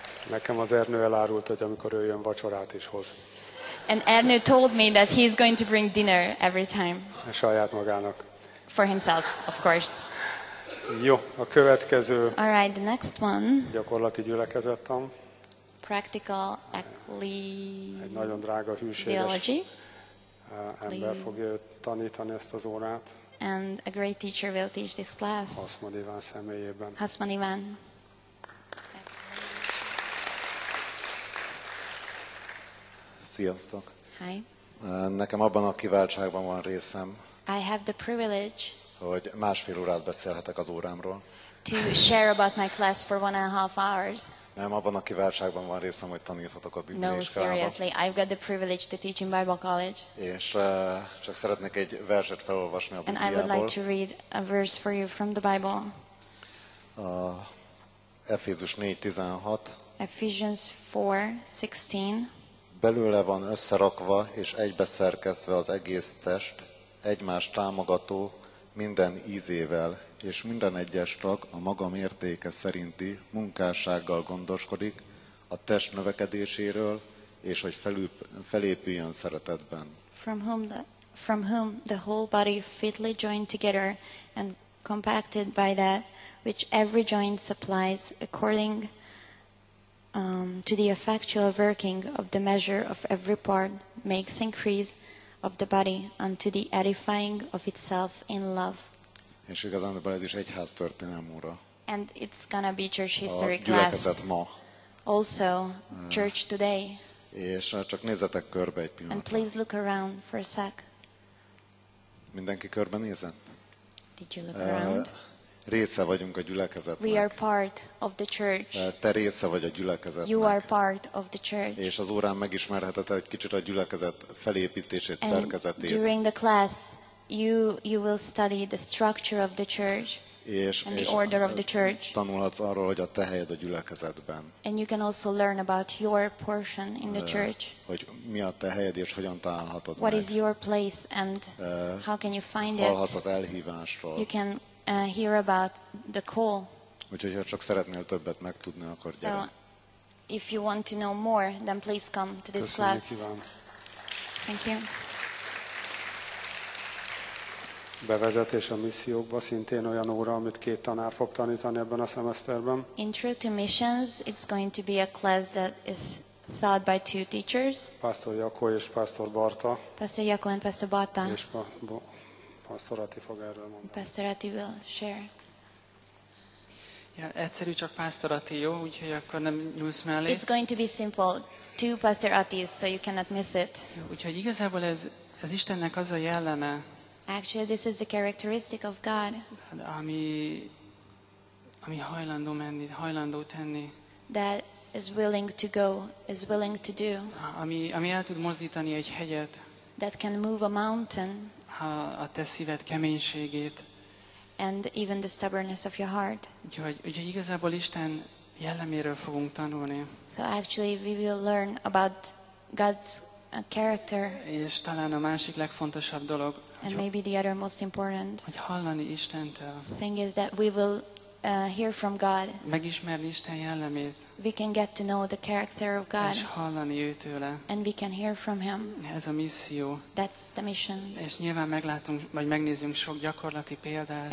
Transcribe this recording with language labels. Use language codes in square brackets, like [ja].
[hu] Nekem az Ernő elárult, hogy amikor ő jön vacsorát is hoz. [en] And Ernő told me that he's going to bring dinner every time. [hu] A saját magának. [en] For himself, of course. [hu] Jó, a következő. [en] All right, the next one. [hu] Gyakorlati gyülekezettan. [en] Practical ecclesiology. [hu] Egy nagyon drága hűséges ember fogja tanítani ezt az órát. [en] And a great teacher will teach this class. [hu] Haszman Iván személyében. [en] Haszman Iván. [hu] Sziasztok. [en] Hi. [hu] Nekem abban a kiváltságban van részem. [en] I have the privilege. [hu] Hogy másfél órát beszélhetek az órámról. [en] To share about my class for 1.5 hours. [hu] Nem, abban a kiváltságban van részem, hogy taníthatok a Biblia iskolában. [en] No, seriously, I've got the privilege to teach in Bible College. [hu] És csak szeretnék egy verset felolvasni a Bibliából. [en] And I would like to read a verse for you from the Bible. [hu] Efézus 4:16. [en] Ephesians 4:16. [hu] Belőle van összerakva és egybeszerkesztve az egész test, egymást támogató minden ízével, és minden egyes tag a maga mértéke szerinti munkássággal gondoskodik a test növekedéséről, és hogy felépüljön szeretetben. [en] From whom the from whom the whole body fitly joined together and compacted by that which every joint supplies according to the effectual working of the measure of every part makes increase of the body unto the edifying of itself in love. [hu] És igazándiból ez is egyház történelem óra. [en] And it's gonna be church history class. Also, church today. [hu] És csak nézzetek körbe egy pillanatra. [en] And please look around for a sec. [hu] Mindenki körbe nézett? [en] Did you look around? [hu] Része vagyunk a gyülekezetnek. [en] We are part of the church. [hu] Te része vagy a gyülekezetnek. [en] You are part of the church. [hu] És az órán megismerheted egy kicsit a gyülekezet felépítését, szerkezetét. [en] During the class, you will study the structure of the church. And the order of the church. [hu] Tanulhatsz arról, hogy a te helyed a gyülekezetben. [en] And you can also learn about your portion in the church. [hu] Hogy mi a te helyed és hogyan találhatod [en] what [hu] meg. [en] Is your place and how can you find it? [hu] Hallhatsz az elhívásról. [en] You can hear about the call. [hu] Úgyhogy ha csak szeretnél többet megtudni, akkor gyere. [en] So, if you want to know more, then please come to this [hu] Köszönjük [en] class. [hu] Kíván. [en] Thank you. [hu] Bevezetés a missziókba, szintén olyan óra, amit két tanár fog tanítani ebben a szemeszterben. [en] Intro to missions, it's going to be a class that is taught by two teachers. [hu] Pastor Jakó és Pastor Barta. [en] Pastor Jakó and Pastor Barta. [hu] És Pastor Ati fog erről mondani. [en] Pastor Ati will share. [hu] Ja, egyszerű csak Pastor Ati, jó? Úgyhogy akkor nem nyúlsz mellé. [en] It's going to be simple. Two Pastor Atis, so you cannot miss it. [hu] Jó, úgyhogy igazából ez Istennek az a jelleme, [en] actually, this is the characteristic of God. [hu] Ami hajlandó menni, hajlandó tenni. [en] That is willing to go, is willing to do. [hu] Ami el tud mozdítani egy hegyet. [en] That can move a mountain. [hu] A te szíved keménységét. [en] And even the stubbornness of your heart. [hu] Úgyhogy igazából Isten jelleméről fogunk tanulni. [en] So actually, we will learn about God's character. [hu] És talán a másik legfontosabb dolog. [en] And maybe the other most important [hu] hallani Istentől. [en] Thing is that we will hear from God. [hu] Megismerni Isten jellemét. [en] We can get to know the character of God. [hu] És hallani őtőle. [en] And we can hear from him. [hu] Ez a misszió. [en] That's the mission. [hu] És nyilván meglátunk, vagy megnézünk sok gyakorlati példát.